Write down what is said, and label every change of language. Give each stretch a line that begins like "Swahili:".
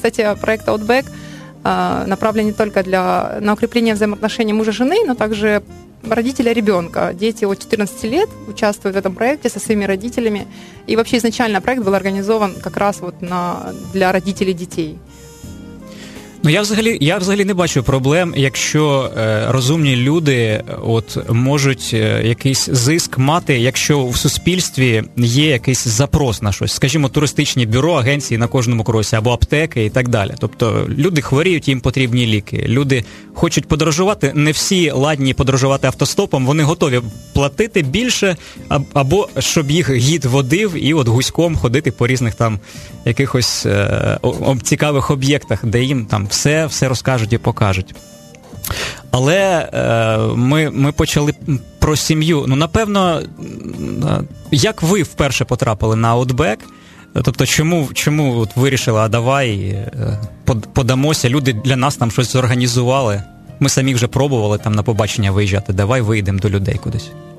Russian: Кстати, проект Outback направлен не только на укрепление взаимоотношений мужа-жены, но также родителя-ребенка. Дети от 14 лет участвуют в этом проекте со своими родителями. И вообще изначально проект был организован как раз вот для родителей детей.
Ukrainian: Ну, я взагалі не бачу проблем, якщо розумні люди от можуть якийсь зиск мати, якщо в суспільстві є якийсь запрос на щось. Скажімо, туристичні бюро, агенції на кожному кросі, або аптеки і так далі. Тобто люди хворіють, їм потрібні ліки. Люди хочуть подорожувати, не всі ладні подорожувати автостопом, вони готові платити більше, або щоб їх гід водив і от гуськом ходити по різних там якихось цікавих об'єктах, де їм там все розкажуть і покажуть. Але ми почали про сім'ю. Ну, напевно, як ви вперше потрапили на Outback? Тобто, чому от вирішили, а давай подамося, люди для нас там щось зорганізували. Ми самі вже пробували там на побачення виїжджати. Давай вийдемо до людей кудись.